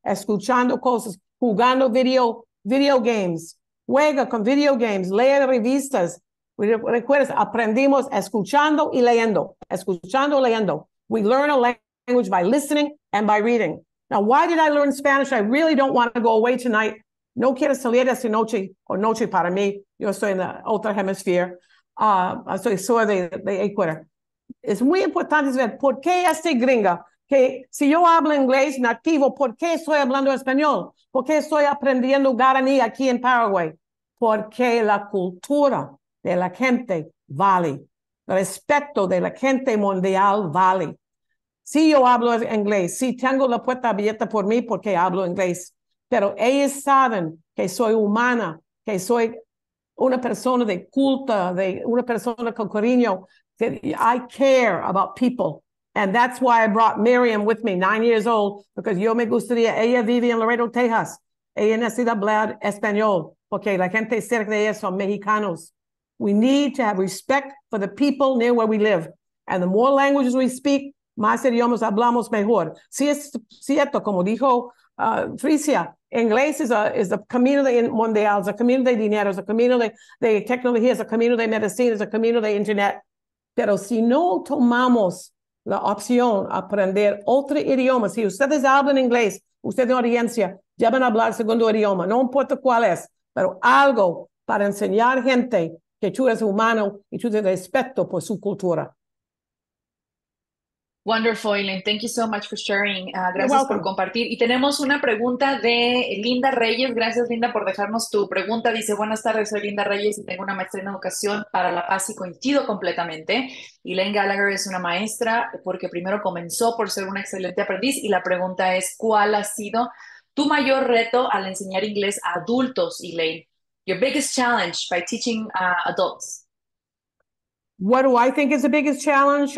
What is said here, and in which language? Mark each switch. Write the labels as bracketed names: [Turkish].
[Spanish] Escuchando cosas, jugando video games. Juega con video games, lee revistas. Recuerdas, aprendimos escuchando y leyendo. Escuchando y leyendo. [English] We learn a language by listening and by reading. Now, why did I learn Spanish? I really don't want to go away tonight. [Spanish] No quiero salir esta noche, o noche para mí. Yo estoy en la otra hemisphere. Soy de Ecuador. Es muy importante saber por qué estoy gringa. Que si yo hablo inglés nativo, ¿por qué estoy hablando español? ¿Por qué estoy aprendiendo guaraní aquí en Paraguay? Porque la cultura de la gente vale. El respeto de la gente mundial vale. Si yo hablo inglés, si tengo la puerta abierta por mí, porque hablo inglés. Pero ellos saben que soy humana, que soy una persona de culto, de una persona con cariño. [English] I care about people. And that's why I brought Miriam with me, 9 years old, because [Spanish] yo me gustaría, ella vive en Laredo, Texas. Ella necesita hablar español. Okay, la gente cerca de ellos son mexicanos. [English] We need to have respect for the people near where we live. And the more languages we speak, [Spanish] más idiomas hablamos mejor. Si es cierto, como dijo Frisia, inglés is a camino de mundial, es a camino de dinero, es a camino de tecnología, es a camino de medicina, es a camino de internet. Pero si no tomamos la opción aprender otro idioma, si ustedes hablan inglés, ustedes en audiencia, ya van a hablar segundo idioma, no importa cuál es, pero algo para enseñar gente que tú eres humano y tú tienes respeto por su cultura. [English] Wonderful, Elaine. Thank you so much for sharing. [Spanish] Gracias por compartir. Y tenemos una pregunta de Linda Reyes. Gracias, Linda, por dejarnos tu pregunta. Dice, buenas tardes, soy Linda Reyes y tengo una maestría en educación para la paz y coincido completamente. Elaine Gallagher es una maestra porque primero comenzó por ser una excelente aprendiz. Y la pregunta es, ¿cuál ha sido tu mayor reto al enseñar inglés a adultos, Elaine? [English] Your biggest challenge by teaching adults. What do I think is the biggest challenge?